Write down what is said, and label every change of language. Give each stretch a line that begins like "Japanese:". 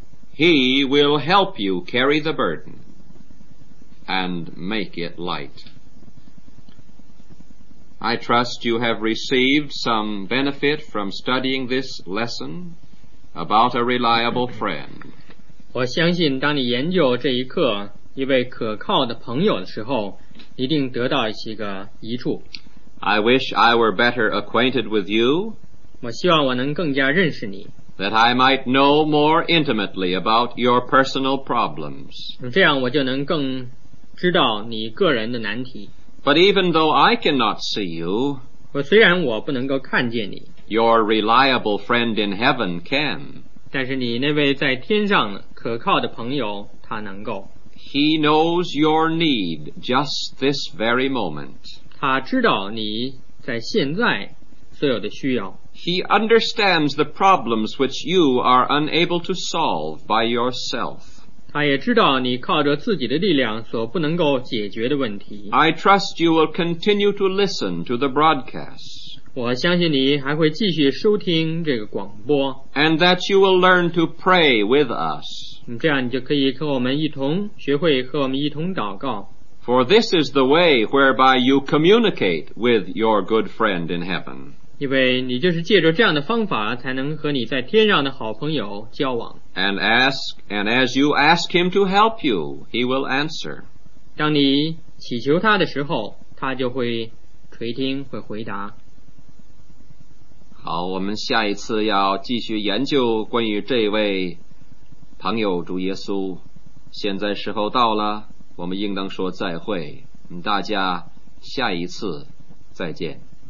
English: He will help you carry the burden and make it light. I trust you have received some benefit from studying this lesson about a reliable friend.
Chinese: 我相信当你研究这一课一位可靠的朋友的时候一定得到一个益处。
English: I wish I were better acquainted with you.
Chinese: 我希望我能更加认识你。
English: That I might know more intimately about your personal problems.
Chinese: 这样我就能更知道你个人的难题。
English: But even though I cannot see you,
Chinese: 虽然我不能够看见你,
English: your reliable friend in heaven can.
Chinese: 但是你那位在天上可靠的朋友他能够。
English: He knows your need just this very moment.
Chinese: 他知道你在现在所有的需要。
English: He understands the problems which you are unable to solve by yourself.
Chinese: 他也知道你靠着自己的力量所不能够解决的问题。
English: I trust you will continue to listen to the broadcast.
Chinese: 我相信你还会继续收听这个广播。
English: And that you will learn to pray with us.
Chinese: 这样你就可以和我们一同学会和我们一同祷告。
English: For this is the way whereby you communicate with your good friend in heaven.
Chinese: 因为你就是借着这样的方法才能和你在天上的好朋友交往。
English: And ask, and as you ask him to help you, he will answer.
Chinese: 当你祈求他的时候，他就会垂听，会回答。好，我们下一次要继续研究关于这位朋友主耶稣。现在时候到了。我们应当说再会，大家下一次再见。